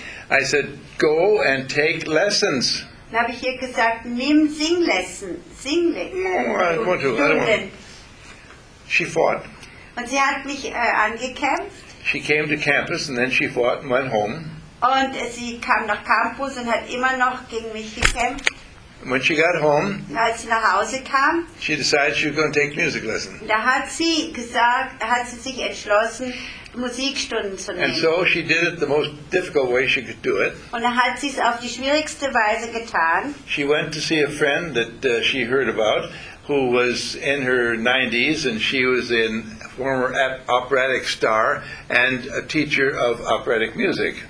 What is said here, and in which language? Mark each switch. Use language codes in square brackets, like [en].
[en] I said, go and take lessons. [de] Dann habe ich ihr gesagt, nimm Singlessen. Singlessen. [en] Oh, I don't want to. I don't want to. She fought. [de] Und sie hat mich angekämpft. [en] She came to campus and then she fought and went home. [de] Und sie kam nach Campus und hat immer noch gegen mich gekämpft. [en] When she got home, [de] als sie nach Hause kam, [en] she decided she was going to take music lessons. [de] Da hat sie gesagt, hat sie sich entschlossen, Musikstunden zu nehmen. [en] And so she did it the most difficult way she could do it. [de] Und dann hat sie es auf die schwierigste Weise getan. [en] She went to see a friend that she heard about, who was in her 90s, and she was a former operatic star and a teacher of operatic music.